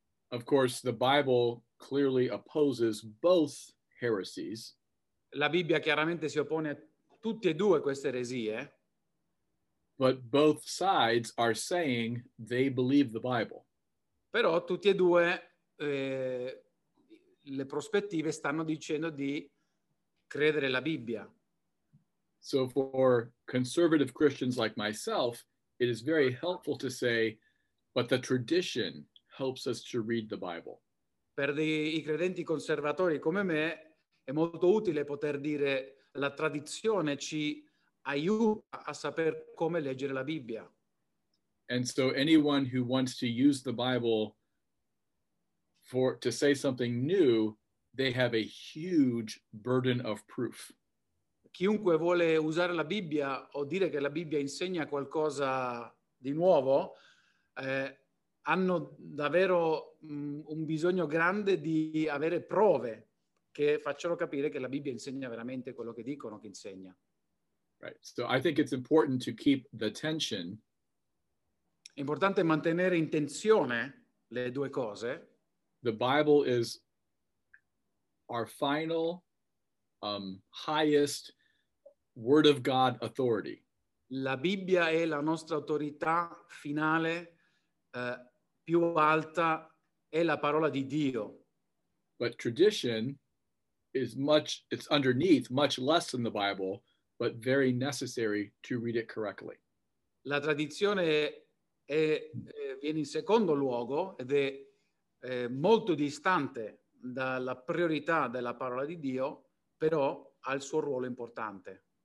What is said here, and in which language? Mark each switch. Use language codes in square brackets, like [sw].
[en] Of course, the Bible clearly opposes both heresies. [it] La Bibbia chiaramente si oppone a tutte e due queste eresie. [en] But both sides are saying they believe the Bible. [it] Però tutti e due le prospettive stanno dicendo di credere la Bibbia. [en] So for conservative Christians like myself, it is very helpful to say, but the tradition helps us to read the Bible. [it] Per i credenti conservatori come me, è molto utile poter dire la tradizione ci aiuta a saper come leggere la Bibbia. [en] And so anyone who wants to use the Bible to say something new, they have a huge burden of proof. [it] Chiunque vuole usare la Bibbia o dire che la Bibbia insegna qualcosa di nuovo, hanno davvero un bisogno grande di avere prove che facciano capire che la Bibbia insegna veramente quello che dicono che insegna. [en] Right. So I think it's important to keep the tension. [it] È importante mantenere in tensione le due cose. [en] The Bible is our final, highest word of God authority. [it] La Bibbia è la nostra autorità finale, più alta, è la parola di Dio. [en] But tradition it's underneath, much less than the Bible, but very necessary to read it correctly. [it] La tradizione viene in secondo luogo ed è molto distante dalla priorità della parola di Dio, però ha il suo ruolo importante.